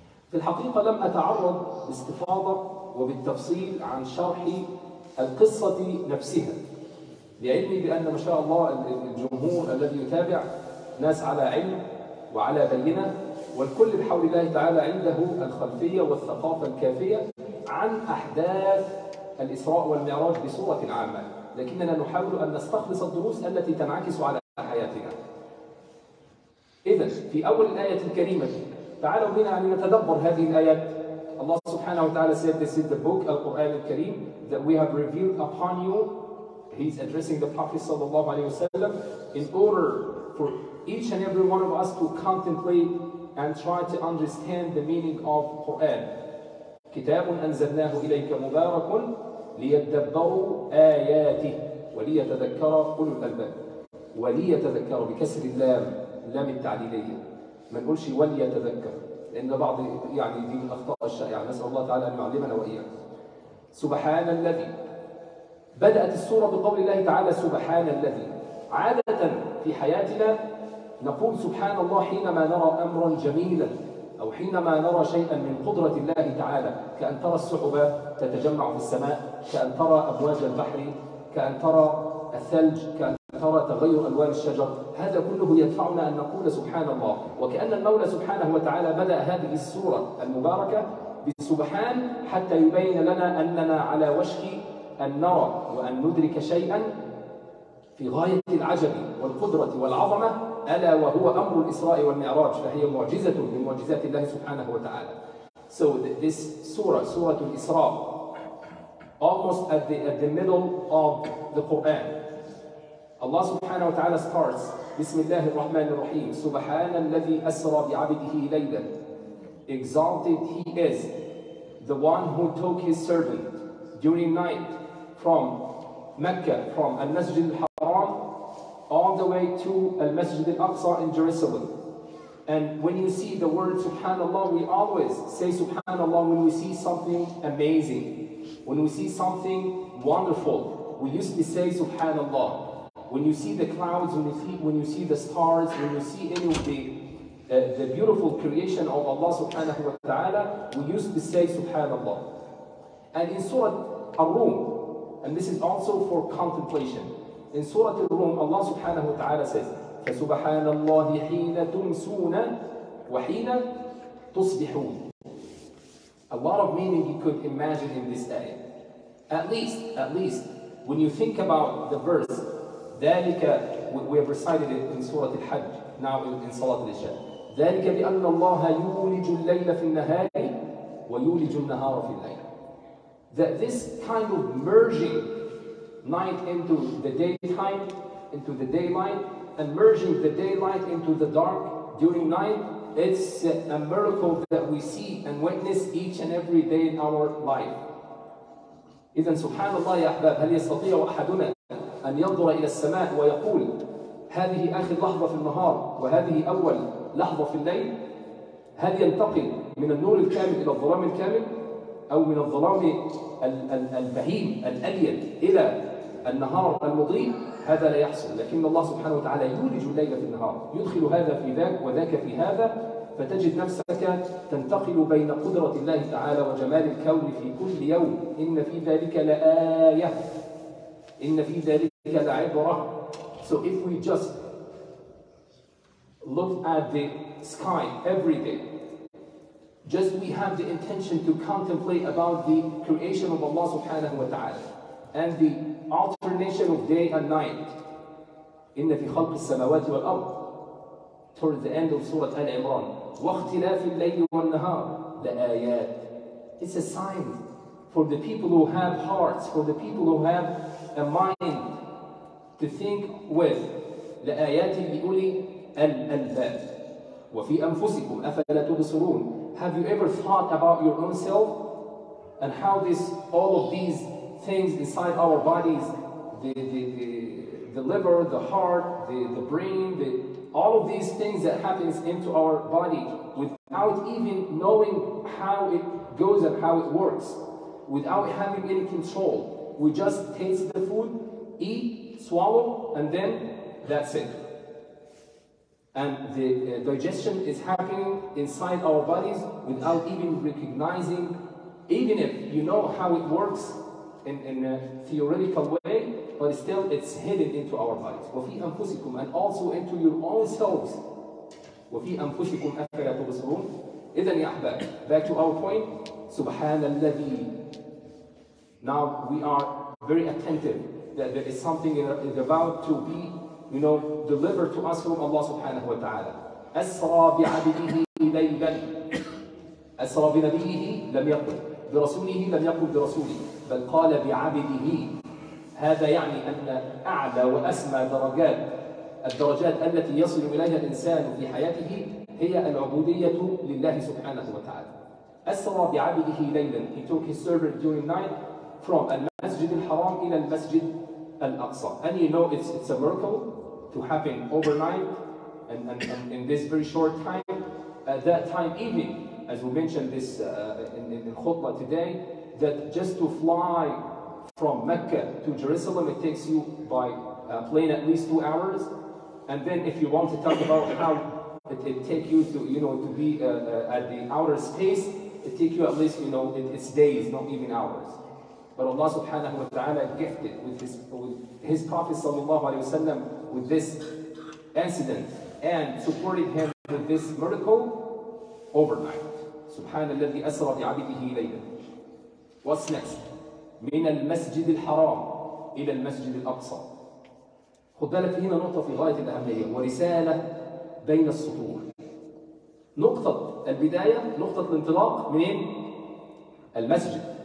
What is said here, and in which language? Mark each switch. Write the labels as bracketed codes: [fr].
[ar] في الحقيقة لم أتعرض باستفاضة وبالتفصيل عن شرح القصة نفسها، لعلمي بأن ما شاء الله الجمهور الذي يتابع ناس على علم وعلى بينة، والكل بحول الله تعالى عنده الخلفية والثقافة الكافية عن أحداث الإسراء والمعراج بصورة عامة، لكننا نحاول أن نستخلص الدروس التي تنعكس على حياتنا. إذن في أول الآية الكريمة تعالوا بنا أن نتدبر هذه الآيات. الله سبحانه وتعالى [en] said this in the book, [ar] القرآن الكريم, [en] that we have revealed upon you. He's addressing the Prophet [ar] صلى الله عليه وسلم, [en] in order for each and every one of us to contemplate and try to understand the meaning of Quran. [ar] كتاب أنزلناه إليك مبارك ليتدبروا آياته وليتذكر أولو الألباب. وليتذكر بكسر اللام لام التعليلية، ما نقولش وليتذكر، لأن بعض يعني دي من أخطاء الشائعة. نسأل الله تعالى أن يعلمنا وإياكم. سبحان الذي، بدأت السورة بقول الله تعالى سبحان الذي. عادة في حياتنا نقول سبحان الله حينما نرى أمرا جميلا، أو حينما نرى شيئا من قدرة الله تعالى، كأن ترى السحب تتجمع في السماء، كأن ترى أبواج البحر، كأن ترى الثلج، كأن ترى تغير ألوان الشجر، هذا كله يدفعنا أن نقول سبحان الله. وكأن المولى سبحانه وتعالى بدأ هذه السورة المباركة بسبحان حتى يبين لنا أننا على وشك أن نرى وأن ندرك شيئا في غاية العجب والقدرة والعظمة، ألا وهو أمر الإسراء والمعراج، فهي معجزة من معجزات الله سبحانه وتعالى. [en] So this surah, سورة الإسراء, almost at the middle of the Quran, Allah [ar] سبحانه وتعالى [en] starts [ar] بسم الله الرحمن الرحيم. سبحان الذي أسرى بعبده ليلا. [en] Exalted he is, the one who took his servant during night from Mecca, from al-Masjid al-Haram, all the way to Al-Masjid Al-Aqsa in Jerusalem. And when you see the word Subhanallah, we always say Subhanallah when we see something amazing. When we see something wonderful, we used to say Subhanallah. When you see the clouds, when you see the stars, when you see any of the beautiful creation of Allah Subhanahu wa Ta'ala, we used to say Subhanallah. And in Surah Ar-Rum, and this is also for contemplation, in Surah Al-Rum, Allah subhanahu wa ta'ala says, [ar] فسبحان الله حين تمسون وحين تصبحون. [en] A lot of meaning you could imagine in this ayah. At least, when you think about the verse, ذَلِكَ, we have recited it in Surah Al-Hajj, now in Salat al-Isha. [ar] ذَلِكَ بِأَنَّ اللَّهَ يُولِجُ اللَّيْلَ فِي النَّهَارِ وَيُولِجُ النَّهَارَ فِي اللَّيْلِ. [en] That this kind of merging night into the daytime, into the daylight, and merging the daylight into the dark during night, it's a miracle that we see and witness each and every day in our life. [ar] إذن سبحان الله يا أحباب هل يستطيع أحدنا أن ينظر إلى السماء ويقول هذه آخر لحظة في النهار وهذه أول لحظة في الليل؟ هل ينتقل من النور الكامل إلى الظلام الكامل أو من الظلام البهيم الأليل إلى النهار المضيء؟ هذا لا يحصل، لكن الله سبحانه وتعالى يولج الليل في النهار، يدخل هذا في ذاك وذاك في هذا، فتجد نفسك تنتقل بين قدرة الله تعالى وجمال الكون في كل يوم. إن في ذلك لآية، إن في ذلك لعبرة. [en] So if we just look at the sky every day, just we have the intention to contemplate about the creation of Allah subhanahu wa ta'ala and the alternation of day and night. [ar] إن في خلق السماوات والأرض [en] towards the end of Surah Al-Imran. [ar] واختلاف الليل والنهار لآيات. [en] It's a sign for the people who have hearts, for the people who have a mind to think with. [ar] لآيات لأولي الألباب. وفي أنفسكم أفلا تبصرون. [en] Have you ever thought about your own self and how this, all of these things inside our bodies, the liver, the heart, the brain, the all of these things that happens into our body without even knowing how it goes and how it works, without having any control. We just taste the food, eat, swallow, and then that's it. And the digestion is happening inside our bodies without even recognizing, even if you know how it works in a theoretical way, but still it's hidden into our bodies. [ar] وَفِي أَنفُسِكُمْ [en] and also into your own selves. [ar] وَفِي أَنفُسِكُمْ أَفَلَا تُبْصِرُونَ. إذن يا أحباب, [en] back to our point, [ar] سبحان الذي. [en] Now we are very attentive that there is something is about to be, you know, delivered to us from Allah subhanahu wa ta'ala. [ar] أَسْرَى بِعَبِدِهِ لَيْلًا. أَسْرَى بِنَبِيهِ لَمْ يَقُلْ بِرَسُولِهِ لَمْ يَقُلْ بِرَسُولِهِ بَلْ قَالَ بِعَبِدِهِ. هذا يعني أن أعلى وأسمى درجات الدرجات التي يصل إليها الإنسان في حياته هي العبودية لله سبحانه وتعالى. أسرى بعبده ليلا. [en] He took his servant during night from [ar] المسجد الحرام إلى المسجد الأقصى. [en] And you know it's a miracle to happen overnight and in this very short time. At that time evening, as we mentioned this in the khutbah today, that just to fly from Mecca to Jerusalem, it takes you by plane at least 2 hours. And then if you want to talk about how it takes you to, you know, to be at the outer space, it takes you at least, you know, it's days, not even hours. But Allah subhanahu wa ta'ala gifted with his Prophet sallallahu alayhi wa sallam with this incident and supported him with this miracle overnight. سبحان الذي أسرى بعبده ليلا. What's next? [ar] من المسجد الحرام إلى المسجد الأقصى. خد بالك هنا نقطة في غاية الأهمية ورسالة بين السطور. نقطة البداية, نقطة الانطلاق منين؟ المسجد.